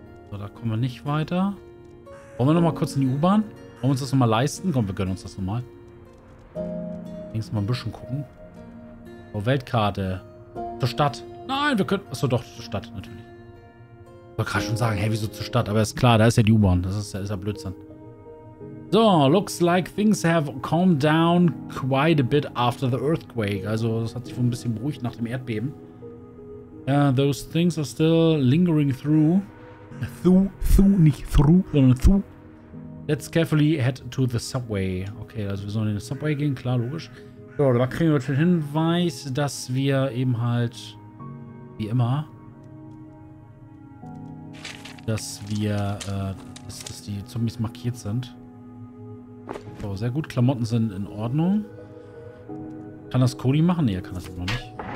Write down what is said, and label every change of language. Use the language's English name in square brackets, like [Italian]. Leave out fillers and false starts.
[German] So, da kommen wir nicht weiter. Wollen wir nochmal kurz in die U-Bahn? Wollen wir uns das nochmal leisten? Komm, wir gönnen uns das nochmal. Links mal ein bisschen gucken. Oh, Weltkarte. Zur Stadt. Nein, wir können. Achso, doch, zur Stadt, natürlich. Ich wollte gerade schon sagen, hey, wieso zur Stadt? Aber ist klar, da ist ja die U-Bahn. Das ist ja Blödsinn. [English] So, looks like things have calmed down quite a bit after the earthquake. [German] Also, es hat sich wohl ein bisschen beruhigt nach dem Erdbeben. [English] Those things are still lingering through. Through. Let's carefully head to the subway. [German] Okay, also wir sollen in den Subway gehen, klar, logisch. So, da kriegen wir den Hinweis, dass wir eben halt, wie immer, dass wir, dass die Zombies markiert sind. So, sehr gut, Klamotten sind in Ordnung. Kann das Cody machen? Nee, er kann das noch nicht.